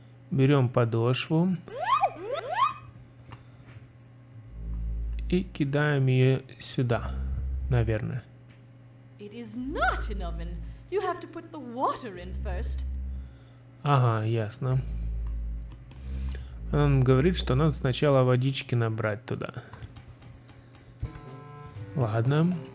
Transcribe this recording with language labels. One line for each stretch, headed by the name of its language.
Russian: Берем подошву. И кидаем ее сюда, наверное.
English: It is not an oven. You have to put the water in first.
Russian: Ага, ясно. Он говорит, что надо сначала водички набрать туда. Ладно.